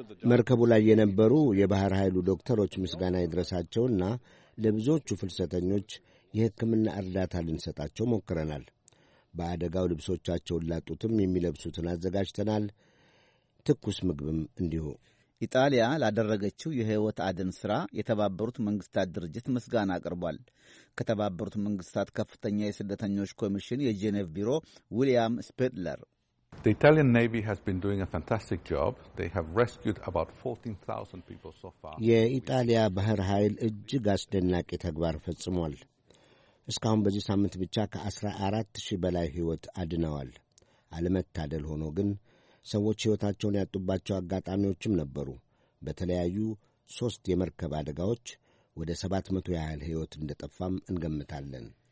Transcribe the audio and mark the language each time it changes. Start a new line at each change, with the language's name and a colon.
Amharic: መርከቡ ላይ የነበሩ የባህር ኃይሉ ዶክተሮች ምስጋና ይድረሳቸውና ለብዙዎቹ ፍልሰተኞች የሕክምና እርዳታ ልንሰጣቸው ሞክረናል። በአደጋው ልብሶቻቸውን ላጡትም የሚለብሱትን አዘጋጅተናል። ትኩስ ምግብም እንዲሁ። ኢጣሊያ ላደረገችው የሕይወት አድን ሥራ የተባበሩት መንግሥታት ድርጅት ምስጋና አቅርቧል። ከተባበሩት መንግሥታት ከፍተኛ የስደተኞች ኮሚሽን የጄኔቭ ቢሮ ዊልያም ስፔድለር
English: The Italian Navy has been doing a fantastic job. They have rescued about 14,000 people so far.
Amharic: የኢጣሊያ ባህር ኃይል እጅግ አስደናቂ ተግባር ፈጽሟል። እስካሁን በዚህ ሳምንት ብቻ ከ14,000 በላይ ሕይወት አድነዋል። አለመታደል ሆኖ ግን ሰዎች ሕይወታቸውን ያጡባቸው አጋጣሚዎችም ነበሩ። በተለያዩ 3 የመርከብ አደጋዎች ወደ 700 ያህል ሕይወት እንደጠፋም እንገምታለን።